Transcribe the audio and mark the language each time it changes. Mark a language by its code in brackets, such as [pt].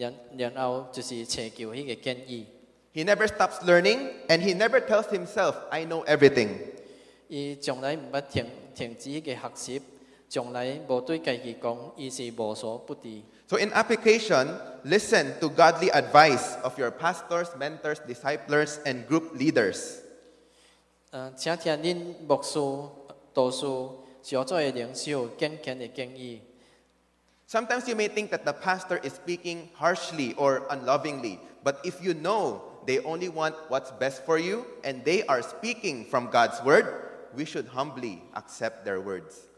[nan] 耶稣讲，聪明人会听，伊会去聆听，然后就是寻求迄个建议。 [en] He never stops learning, and he never tells himself, "I know everything." [nan] 伊从来唔捌停止迄个学习，从来无对家己讲，伊是无所不知。 [en] So in application, listen to godly advice of your pastors, mentors, disciples, and group leaders. [nan] 请听恁牧师、导师、小组的领袖坚强的建议。 [en] Sometimes you may think that the pastor is speaking harshly or unlovingly, but if you know they only want what's best for you and they are speaking from God's word, we should humbly accept their words.